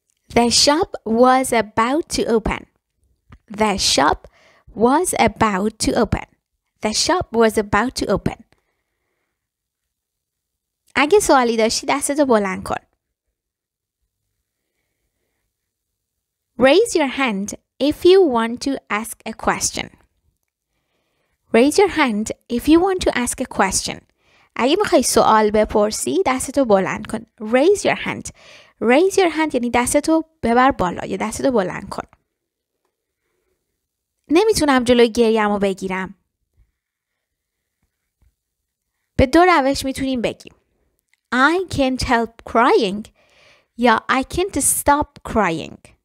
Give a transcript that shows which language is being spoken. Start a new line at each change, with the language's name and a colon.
English: The shop was about to open. The shop was about to open. The shop was about to open.
Persian: اگه سوالی داشتی دستتو بلند کن.
English: Raise your hand if you want to ask a question. Raise your hand if you want to ask a question.
Persian: اگه میخوای سوال بپرسی دستتو بلند کن.
English: Raise your hand. Raise your hand
Persian: یعنی دستتو ببر بالا یا دستتو بلند کن. نمیتونم جلوی گریه‌مو بگیرم. به دو روش میتونیم بگیم.
English: I can't help crying
Persian: یا
English: I can't stop crying.